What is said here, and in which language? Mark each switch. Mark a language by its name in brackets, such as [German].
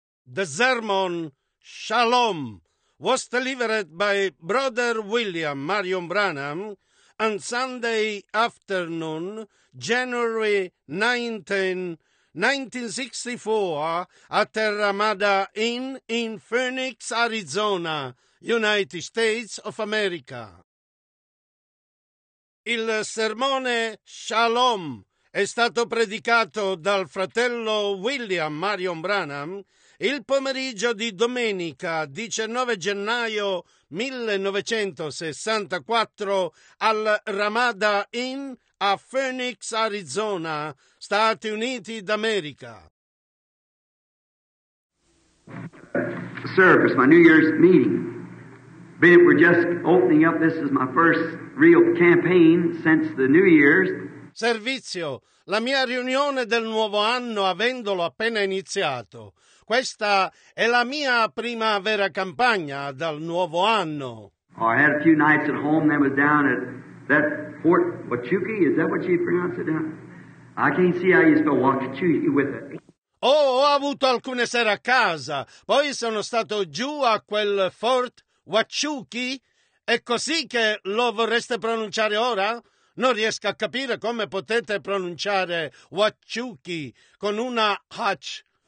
[English] The sermon Shalom was delivered by Brother William Marion Branham on Sunday afternoon, January 19, 1964, at Ramada Inn in Phoenix, Arizona, United States of America. [Italian] Il sermone Shalom è stato predicato dal fratello William Marion Branham il pomeriggio di domenica 19 gennaio 1964 al Ramada Inn a Phoenix, Arizona, Stati Uniti d'America. [English] Sir, it's my New Year's meeting. Ben, we're just opening up. This is my first real campaign since the New Year's. [Italian] Servizio, la mia riunione del nuovo anno avendolo appena iniziato. Questa è la mia prima vera campagna dal nuovo anno. [English] Oh, I had a few nights at home, then was down at that Fort Wachuki, is that what you pronounce it down? I can't see how you spell Wachuki with it. [Italian] Oh, ho avuto alcune sere a casa, poi sono stato giù a quel Fort Wachuki. È così che lo vorreste pronunciare ora? Non riesco a capire come potete pronunciare Wachuki con una H.